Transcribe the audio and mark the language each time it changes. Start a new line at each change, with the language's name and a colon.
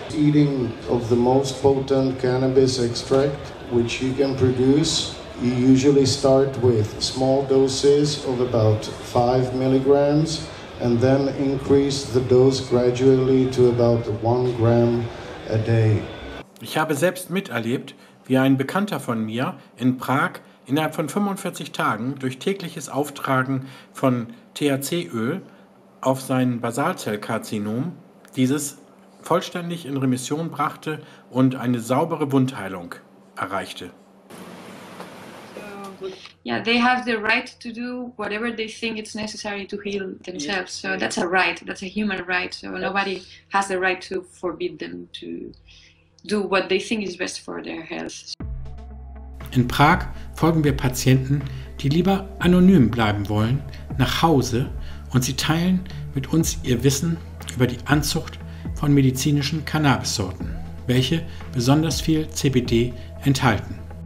English: Eating of the most potent cannabis extract, which you can produce, you usually start with small doses of about 5 milligrams and then increase the dose gradually to about 1 gram a day.
German: Ich habe selbst miterlebt, wie ein Bekannter von mir in Prag innerhalb von 45 Tagen durch tägliches Auftragen von THC-Öl auf sein Basalzellkarzinom dieses vollständig in Remission brachte und eine saubere Wundheilung erreichte.
English: Yeah, they have the right to do whatever they think it's necessary to heal themselves. So that's a right, that's a human right. So nobody has the right to forbid them to do what they think is best for their health.
German: In Prag folgen wir Patienten, die lieber anonym bleiben wollen, nach Hause, und sie teilen mit uns ihr Wissen über die Anzucht von medizinischen Cannabissorten, welche besonders viel CBD enthalten.